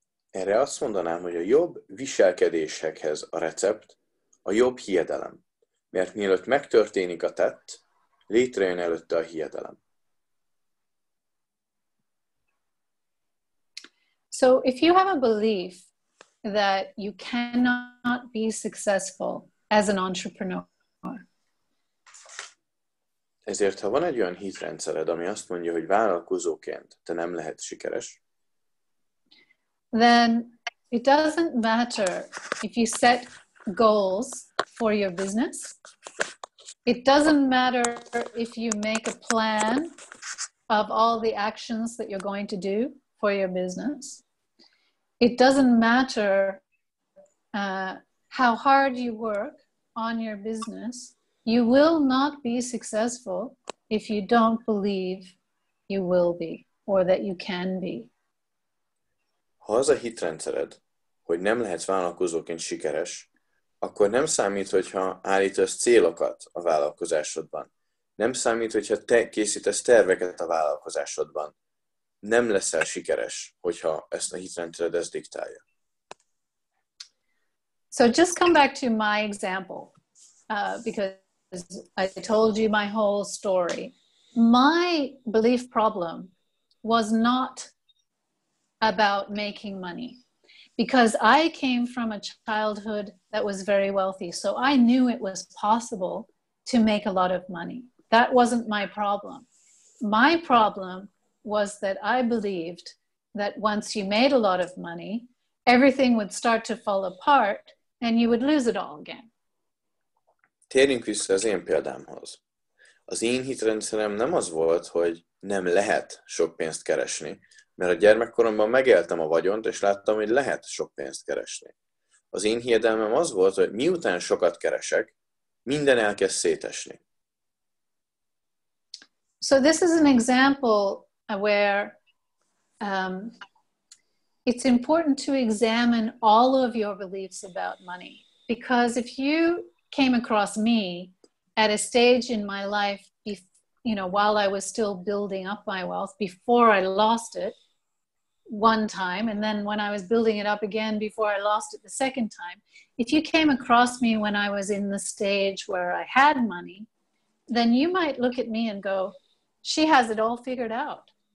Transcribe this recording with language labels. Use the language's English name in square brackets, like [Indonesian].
[Hungarian] Erre azt mondanám, hogy a jobb viselkedésekhez a recept a jobb hiedelem. Mert mielőtt megtörténik a tett, létrejön előtte a hiedelem. [English] So if you have a belief that you cannot be successful as an entrepreneur. [Hungarian] Ezért, ha van egy olyan hitrendszered, ami azt mondja, hogy vállalkozóként te nem lehet sikeres, [English] then it doesn't matter if you set goals for your business. It doesn't matter if you make a plan of all the actions that you're going to do for your business. It doesn't matter how hard you work on your business. You will not be successful if you don't believe you will be or that you can be. [Hungarian] Ha az a hitrendszered, hogy nem lehetsz vállalkozóként sikeres, akkor nem számít, hogyha állítasz célokat a vállalkozásodban. Nem számít, hogyha te készítesz terveket a vállalkozásodban. Nem leszel sikeres, hogyha ezt a hitrendszered ezt diktálja. [English] So just come back to my example, because I told you my whole story. My belief problem was not about making money. Because I came from a childhood that was very wealthy, so I knew it was possible to make a lot of money. That wasn't my problem. My problem was that I believed that once you made a lot of money, everything would start to fall apart and you would lose it all again. [Hungarian] Térjünk vissza az én példámhoz. Az én hitrendszerem nem az volt, hogy nem lehet sok pénzt keresni, mert a gyermekkoromban megéltem a vagyont, és láttam, hogy lehet sok pénzt keresni. Az én hiedelmem az volt, hogy miután sokat keresek, minden elkezd szétesni. [English] So this is an example where it's important to examine all of your beliefs about money. Because if you came across me at a stage in my life, while I was still building up my wealth, before I lost it, one time, and then when I was building it up again before I lost it the second time, if you came across me when I was in the stage where I had money, then you might look at me and go, she has it all figured out.